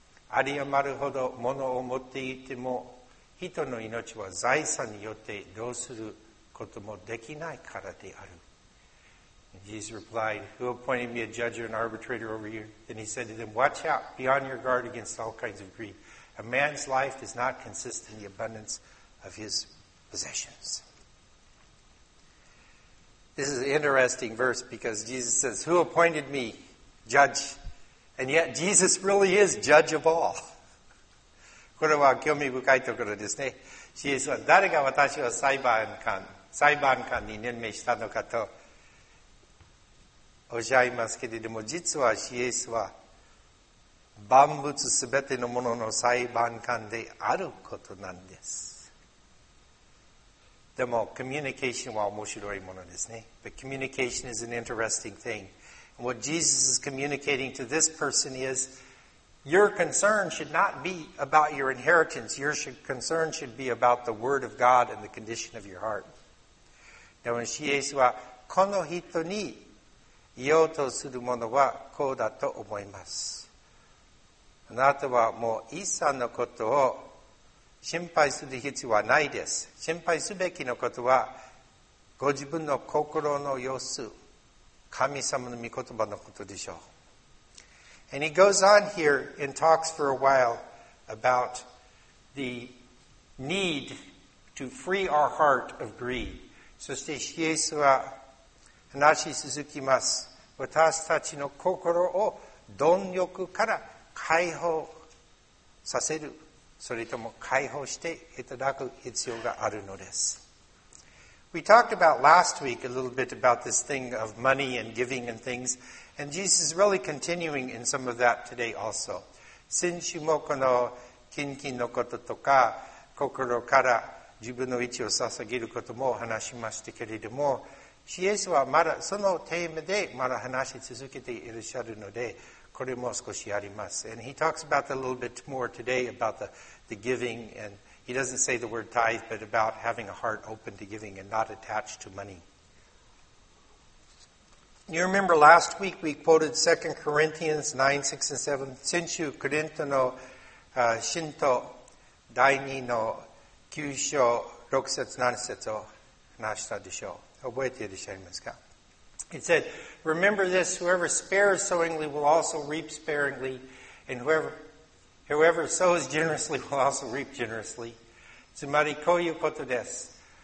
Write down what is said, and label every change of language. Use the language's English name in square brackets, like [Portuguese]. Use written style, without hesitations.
[Japanese] あり余るほど物を持っていても、人の命は財産によってどうすることもできないからである。 [English] Jesus replied, Who appointed me a judge or an arbitrator over you? Then he said to them, Watch out, be on your guard against all kinds of greed. A man's life does not consist in the abundance of his wealth. Possessions. This is an interesting verse because Jesus says, Who appointed me judge? And yet Jesus really is judge of all. [Japanese] これは興味深いところですね。イエスは誰が私を裁判官に任命したのかとおっしゃいますけれども、実はイエスは万物すべてのものの裁判官であることなんです。でも、communication は面白いものですね。 [English] But communication is an interesting thing. And what Jesus is communicating to this person is, your concern should not be about your inheritance. Your concern should be about the word of God and the condition of your heart. [Japanese] でも、イエスは、この人に言おうとするものはこうだと思います。あなたはもう、イエスさんのことを心配する必要はないです。心配すべきのことは、ご自分の心の様子、神様の御言葉のことでしょう。 [English] And he goes on here and talks for a while about the need to free our heart of greed. [Japanese] そして、イエスは話し続きます。私たちの心を貪欲から解放させる。それとも解放していただく必要があるのです。 [English] We talked about last week a little bit about this thing of money and giving and things, and Jesus is really continuing in some of that today also. [Japanese] 先週もこの献金のこととか、心から自分の位置を捧げることも話しましたけれども、イエスはまだそのテーマでまだ話し続けていらっしゃるので、これも少しあります。 [English] And he talks about that a little bit more today about the giving, and he doesn't say the word tithe, but about having a heart open to giving and not attached to money. You remember last week we quoted 2 Corinthians 9, 6, and 7. [Japanese] 先週、コリントの信徒第2の9章6節7節を話したでしょう。覚えていらっしゃいますか? [English] It said,Remember this, whoever spares sowingly will also reap sparingly, and whoever sows generously will also reap generously. [Japanese] つまりこういうことです。